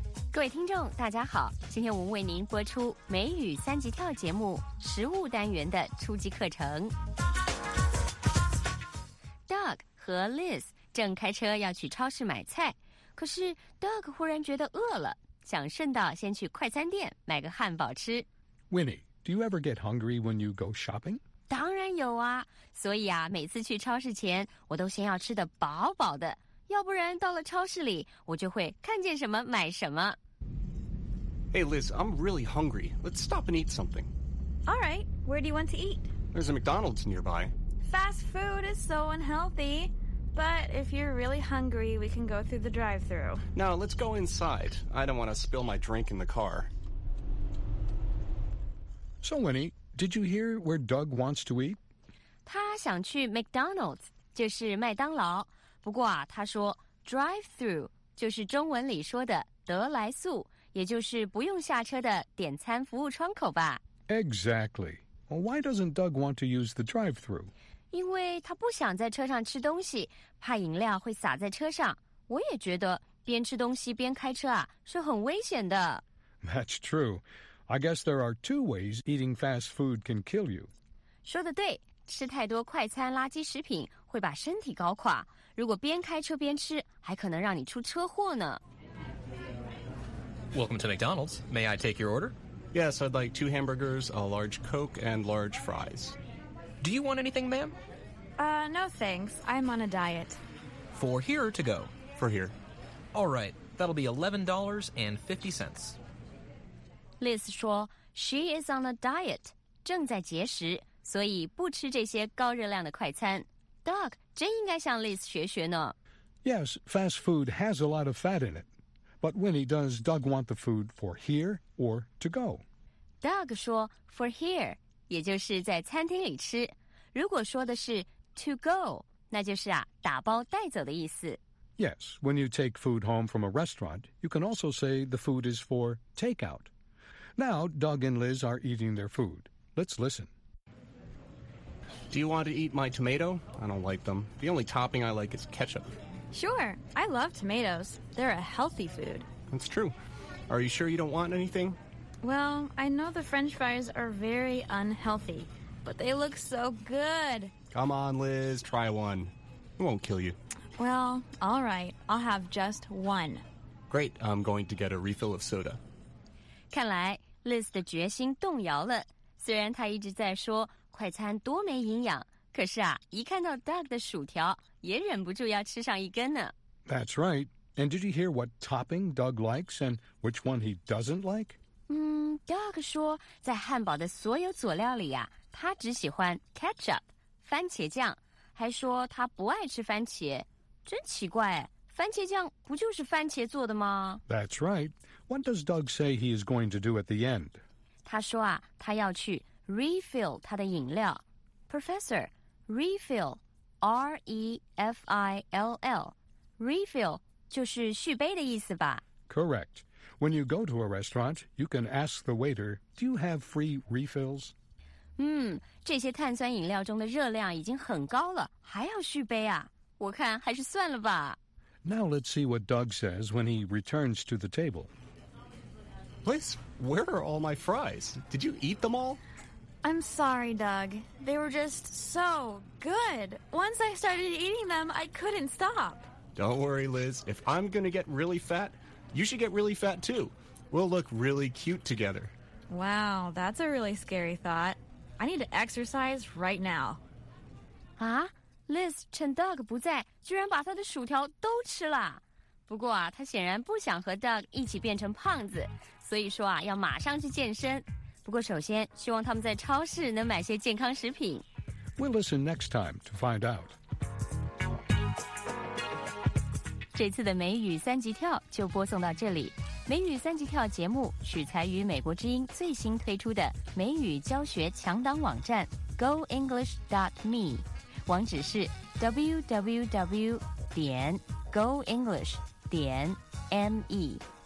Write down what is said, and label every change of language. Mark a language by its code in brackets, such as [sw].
[zh] 各位听众大家好，今天我们为您播出美语三级跳节目实务单元的初级课程。 Doug 和 Liz 正开车要去超市买菜，可是 Doug 忽然觉得饿了，想顺道先去快餐店买个汉堡吃。 [en] Winnie, do you ever get hungry when you go shopping? [zh] 当然有啊，所以啊，每次去超市前我都先要吃得饱饱的，要不然到了超市里我就会看见什么买什么。 [en] Hey Liz, I'm really hungry. Let's stop and eat something. Alright, where do you want to eat? There's a McDonald's nearby. Fast food is so unhealthy. But if you're really hungry, we can go through the drive-thru. No, let's go inside. I don't want to spill my drink in the car. So Winnie, did you hear where Doug wants to eat? [zh] 他想去 McDonald's, 就是麦当劳。不过啊，他说 drive-thru 就是中文里说的得来速，也就是不用下车的点餐服务窗口吧。 [en] Exactly. Well, why doesn't Doug want to use the drive-thru? [zh] 因为他不想在车上吃东西，怕饮料会洒在车上。我也觉得边吃东西边开车啊，是很危险的。 [en] That's true. I guess there are two ways eating fast food can kill you. [zh] 说得对，吃太多快餐垃圾食品会把身体搞垮。如果边开车边吃，还可能让你出车祸呢。 [en] Welcome to McDonald's. May I take your order? Yes, I'd like two hamburgers, a large Coke, and large fries. Do you want anything, ma'am? No thanks. I'm on a diet. For here or to go? For here. All right. That'll be $11.50. [zh] Liz 说 [en] she is on a diet, [zh] 正在节食，所以不吃这些高热量的快餐。 Doug 真应该向 Liz 学学呢。 [en] Yes, fast food has a lot of fat in it. But Winnie, does Doug want the food for here or to go? [zh] Doug 说 for here, 也就是在餐厅里吃。如果说的是 to go, 那就是啊打包带走的意思。 [en] Yes, when you take food home from a restaurant, you can also say the food is for takeout. Now, Doug and Liz are eating their food. Let's listen. Do you want to eat my tomato? I don't like them. The only topping I like is ketchup. Sure, I love tomatoes. They're a healthy food. That's true. Are you sure you don't want anything? Well, I know the French fries are very unhealthy, but they look so good. Come on, Liz, try one. It won't kill you. Well, all right, I'll have just one. Great, I'm going to get a refill of soda. [zh] 看来 Liz 的决心动摇了。虽然他一直在说快餐多没营养，可是啊，一看到 Doug 的薯条，也忍不住要吃上一根呢。 [en] That's right. And did you hear what topping Doug likes and which one he doesn't like? [zh] Doug 说，在汉堡的所有佐料里啊，他只喜欢 ketchup, 番茄酱，还说他不爱吃番茄。真奇怪，番茄酱不就是番茄做的吗？ [en] That's right. What does Doug say he is going to do at the end? [zh] 他说啊，他要去 refill 他的饮料。 [en] Professor, refill, R-E-F-I-L-L. [zh] Refill 就是续杯的意思吧。 [en] Correct. When you go to a restaurant, you can ask the waiter, do you have free refills? [zh] 这些碳酸饮料中的热量已经很高了，还要续杯啊？我看还是算了吧。 [en] Now let's see what Doug says when he returns to the table. Liz, where are all my fries? Did you eat them all? I'm sorry, Doug. They were just so good. Once I started eating them, I couldn't stop. Don't worry, Liz. If I'm going to get really fat, you should get really fat too. We'll look really cute together. Wow, that's a really scary thought. I need to exercise right now. Huh? [zh] Liz, 趁 Doug 不在，居然把他的薯条都吃了。不过啊，他显然不想和 Doug 一起变成胖子，所以说啊，要马上去健身。不过首先，希望他们在超市能买些健康食品。 [en] We'll listen next time to find out. [zh] 这次的美语三级跳就播送到这里。美语三级跳节目取材于美国之音最新推出的美语教学强档网站 goenglish.me， 网址是 www.goenglish.me。